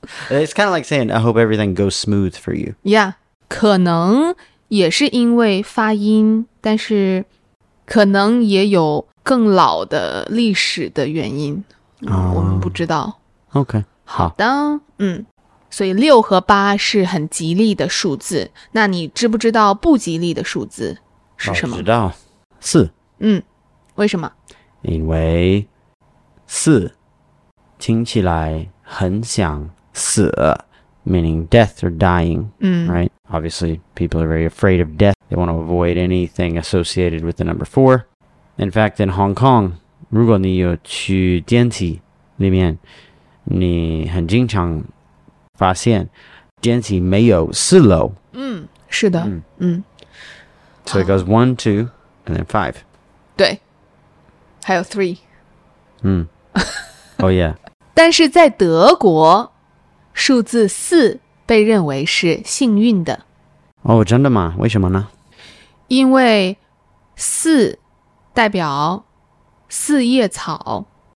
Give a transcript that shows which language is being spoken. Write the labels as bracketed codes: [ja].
[en] It's kind of like saying, I hope everything goes smooth for you. Yeah. 可能 [zh] 也是因为发音，但是可能也有更老的历史的原因，我们不知道。 OK， 好的，嗯，所以六和八是很吉利的数字，那你知不知道不吉利的数字是什么？知道，四。嗯，为什么？因为四听起来很想死， [en] meaning death or dying, right? Obviously, people are very afraid of death. They want to avoid anything associated with the number four. In fact, in Hong Kong, [zh] 如果你有去电梯里面，你很经常发现电梯没有四楼。嗯，是的。嗯。 [en] So it goes one, two, and then five. [zh] 对，还有 three. [en] 嗯。Oh, yeah. [zh] 但是在德国，数字四被认为是幸运的。哦，真的吗？为什么呢？因为四代表四叶草。